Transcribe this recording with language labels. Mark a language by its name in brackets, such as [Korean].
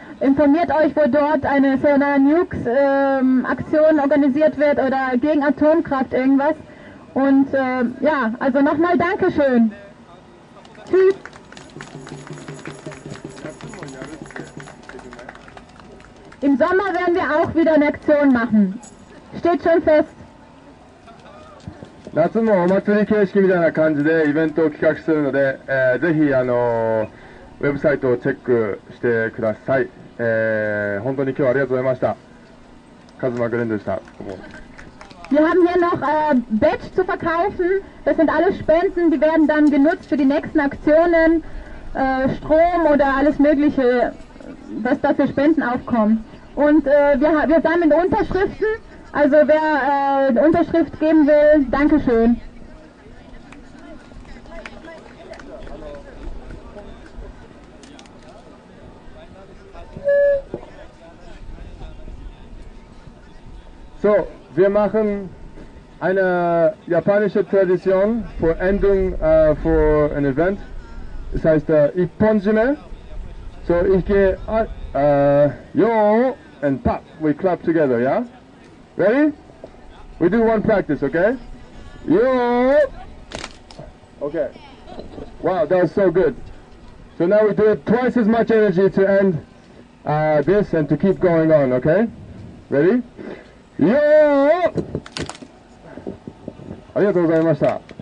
[German] Informiert euch, wo dort eine Sayonara Nukes Aktion organisiert wird oder gegen Atomkraft irgendwas. Und ja, also nochmal Dankeschön. Tschüss. Im Sommer werden wir auch wieder eine Aktion machen. Steht schon fest. [Japanese] 夏もお祭り形式みたいな感じでイベントを企画するので、ぜひウェブサイトをチェックしてください。本当に今日はありがとうございました。カズマグレンでした。 [German] Wir haben hier noch Badge zu verkaufen. Das sind alle Spenden, die werden dann genutzt für die nächsten Aktionen, Strom oder alles Mögliche, was da für Spenden aufkommen. Und wir sammeln Unterschriften. Also wer eine Unterschrift geben will, danke schön. So, wir machen eine japanische Tradition für Endung für ein Event. das heißt Ipponjime. So ich gehe [English] yo and pop, we clap together, yeah? Ready? We do one practice, okay? Yo! Okay. Wow, that was so good. So now we do it twice as much energy to end this and to keep going on, okay? Ready? Yo! [Japanese] ありがとうございました。